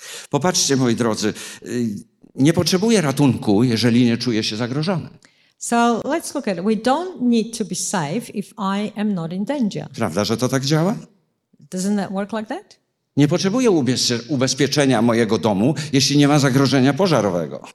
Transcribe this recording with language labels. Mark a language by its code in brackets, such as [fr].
[pl] Popatrzcie, moi drodzy, nie potrzebuję ratunku, jeżeli nie czuję się zagrożony. [en] So let's look at it. We don't need to be safe if I am not in danger. [pl] Prawda, że to tak działa? [en] Doesn't that work like that? [pl] Nie potrzebuję ubezpieczenia mojego domu, jeśli nie ma zagrożenia pożarowego.